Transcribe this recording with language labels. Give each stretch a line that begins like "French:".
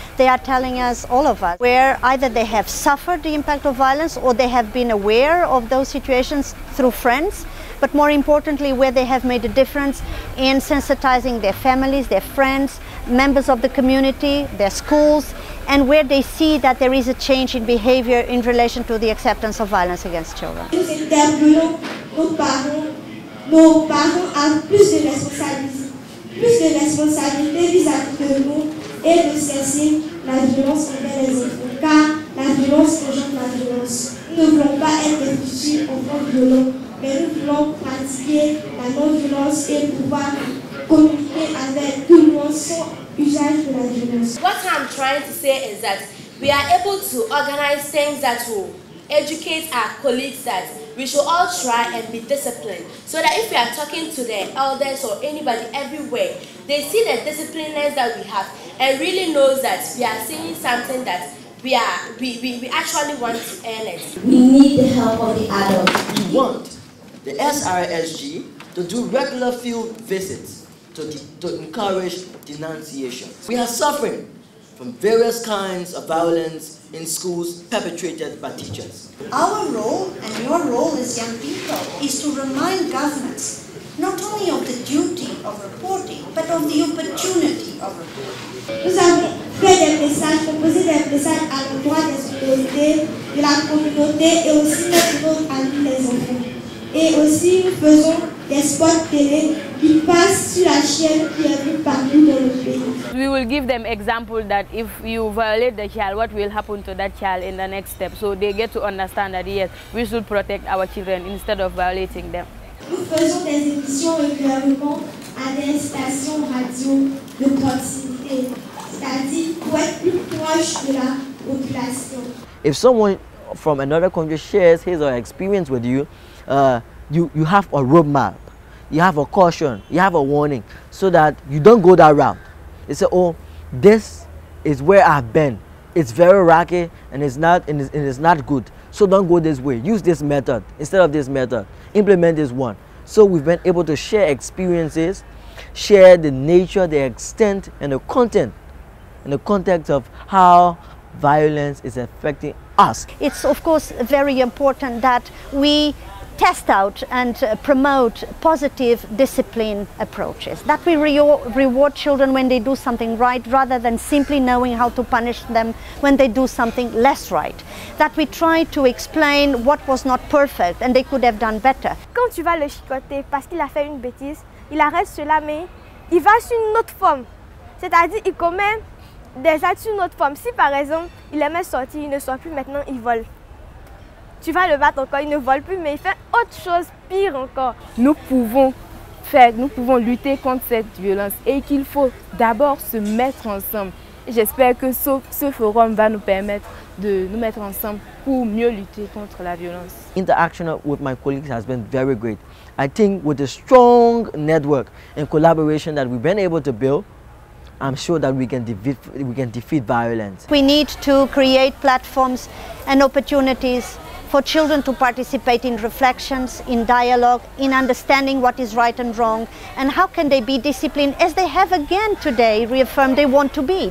English: They are telling us, all of us, where either they have suffered the impact of violence or they have been aware of those situations through friends, but more importantly, where they have made a difference in sensitizing their families, their friends, members of the community, their schools, and where they see that there is a change in behavior in relation to the acceptance of violence against children.
French: Nous interpellons nos parents à plus de responsabilité vis-à-vis de nous et de cesser la violence envers les enfants, car la violence engendre la violence. Nous ne voulons pas être des enfants violents, mais nous voulons pratiquer la non-violence et pouvoir communiquer avec tout le monde sans usage de la violence.
English: What I'm trying to say is that we are able to organize things that will educate our colleagues that we should all try and be disciplined so that if we are talking to the elders or anybody everywhere, they see the disciplines that we have and really know that we are seeing something that we actually want to earn it. We need the help of the adults. We want the SRSG to do regular field visits to encourage denunciation. We are suffering from various kinds of violence in schools perpetrated by teachers. Our role and your role as young people is to remind governments not only of the duty of reporting, but of the opportunity of reporting.
French: Nous avons fait des messages, proposé des messages à l'endroit des autorités, de la communauté et aussi de notre ami les enfants. Et aussi nous faisons des spots télé qui passent sur la chaîne qui est vue partout dans le pays.
English: We will give them example that if you violate the child, what will happen to that child in the next step. So they get to understand that yes, we should protect our children instead of violating them.
French: Nous faisons des émissions régulièrement à des stations radio de proximité, c'est-à-dire pour être plus proche de la population.
English: If someone from another country shares his or her experience with you, you have a roadmap, you have a caution, you have a warning, so that you don't go that route. They say, oh, this is where I've been. It's very rocky and it's not good. So don't go this way. Use this method instead of this method. Implement this one. So we've been able to share experiences, share the nature, the extent, and the content in the context of how violence is affecting us. It's, of course, very important that we test out and promote positive discipline approaches, that we reward children when they do something right rather than simply knowing how to punish them when they do something less right, that we try to explain what was not perfect and they could have done better.
French: Quand tu vas le chicoter parce qu'il a fait une bêtise, il arrête cela, mais il va sur une autre forme, c'est-à-dire il commet des actes sur une autre forme. Si par exemple il aimait sortir, il ne sort plus, maintenant il vole. Tu vas le battre encore, il ne vole plus, mais il fait autre chose, pire encore. Nous pouvons lutter contre cette violence et qu'il faut d'abord se mettre ensemble. J'espère que ce forum va nous permettre de nous mettre ensemble pour mieux lutter contre la violence.
English: Interaction with my colleagues has been very great. I think with the strong network and collaboration that we've been able to build, I'm sure that we can defeat violence. We need to create platforms and opportunities for children to participate in reflections, in dialogue, in understanding what is right and wrong, and how can they be disciplined, as they have again today reaffirmed they want to be.